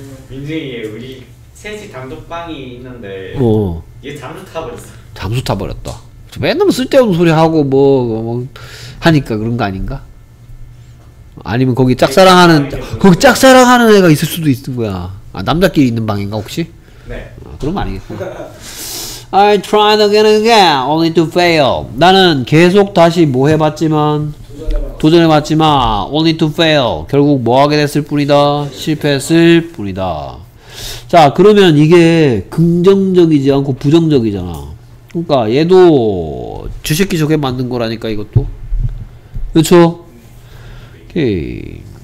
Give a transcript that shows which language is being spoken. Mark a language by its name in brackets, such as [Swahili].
[Korean] 민준이의 우리 셋이 단독방이 있는데 어. 얘 잠수 타버렸어. 잠수 타버렸다. 맨날 쓸데없는 소리 하고 뭐 하니까 그런 거 아닌가? 아니면 거기 짝사랑하는 거기 짝사랑하는 애가 있을 수도 있는 거야. 아 남자끼리 있는 방인가 혹시? 네. 아, 그럼 아니겠구나. [English] I tried again and again, only to fail. [Korean] 나는 계속 다시 뭐 해봤지만 도전해봤지만 [English] only to fail. [Korean] 결국 뭐 하게 됐을 뿐이다. 실패했을 뿐이다. 자 그러면 이게 긍정적이지 않고 부정적이잖아. 그러니까 얘도 주식기 저게 만든 거라니까 이것도. 그쵸? 오케이.